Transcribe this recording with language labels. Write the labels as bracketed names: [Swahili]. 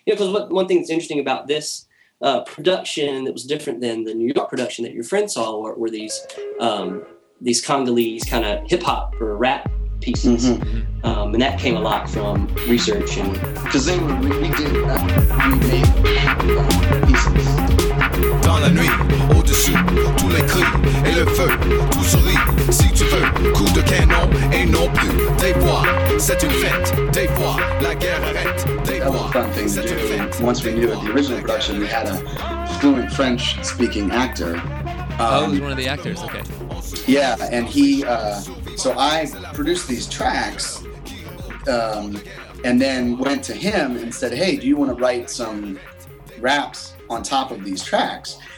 [English] You know, because one thing that's interesting about this production that was different than the New York production that your friend saw were these Congolese kind of hip hop or rap pieces, and that came a lot from research and because they were we did pieces. [French] Dans la nuit, au-dessus, tous les cris et le feu, tout sourit, si tu veux, coup de canon et non plus, des voix, c'est une fête, des voix, la guerre arrête, des voix, c'est une fête, des voix, la guerre arrête. [English] Once we knew it, the original production, we had a fluent French-speaking actor. Oh, he was one of the actors, okay. Yeah, and he, so I produced these tracks, and then went to him and said, hey, do you want to write some raps on top of these tracks?